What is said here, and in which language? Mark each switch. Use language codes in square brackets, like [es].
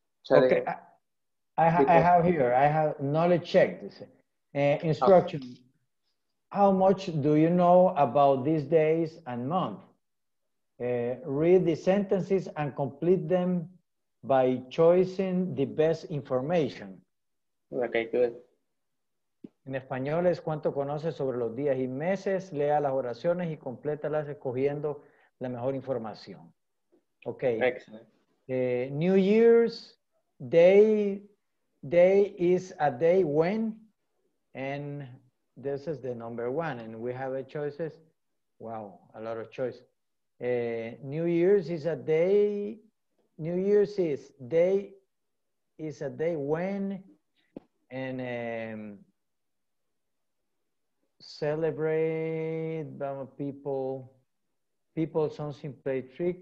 [en] chatting. Okay. I have knowledge check. Instruction. Okay. How much do you know about these days and month? Read the sentences and complete them by choosing the best information. Okay, good. [es] En español es cuánto conoces sobre los días y meses, lea las oraciones y complétalas escogiendo la mejor información. [en] Okay. Excellent. New Year's Day. Day is a day when, and this is the number one, and we have a choices. Wow, a lot of choice. New Year's is day, is a day when, and celebrate people something play trick.